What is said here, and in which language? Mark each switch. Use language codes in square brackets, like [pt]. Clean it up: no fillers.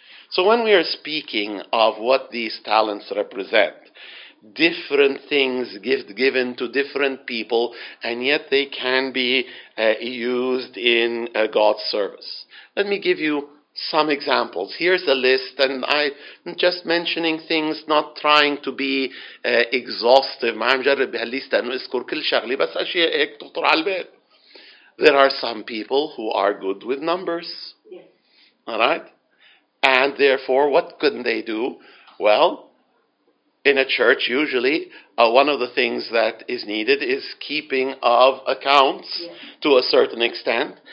[en] So when we are speaking of what these talents represent, different things given to different people, and yet they can be used in God's service. Let me give you some examples. Here's a list, and I'm just mentioning things, not trying to be exhaustive. [ar] ما عم جرب بهالليست أنه أذكر كل شغلة بس أشياء هيك تطر على البال. [en] There are some people who are good with numbers. Yes. All right? And therefore, what can they do? Well, in a church, usually, one of the things that is needed is keeping of accounts to a certain extent.